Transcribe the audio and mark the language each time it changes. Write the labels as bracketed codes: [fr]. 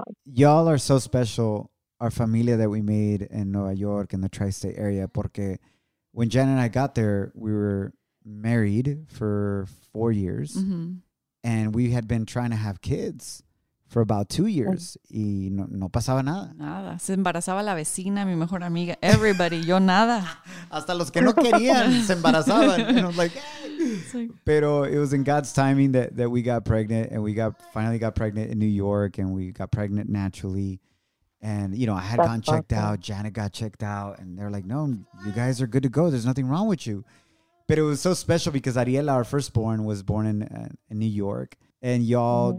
[en] Y'all are so special, our familia that we made in Nueva York and the tri-state area, [es] porque [en] when Jen and I got there, we were married for 4 years mm-hmm. and we had been trying to have kids for about 2 years [es] y no pasaba nada. Nada. Se embarazaba la vecina, mi mejor amiga, [en] everybody, [es] yo nada. Hasta los que no querían se embarazaban. [en] And I was like, [es] Pero [en] it was in God's timing that we got pregnant and we finally got pregnant in New York and we got pregnant naturally. And, you know, I had That's gone checked awesome. Out. Janet got checked out. And they're like, no, you guys are good to go. There's nothing wrong with you. But it was so special because Ariela, our firstborn, was born in New York. And y'all mm-hmm.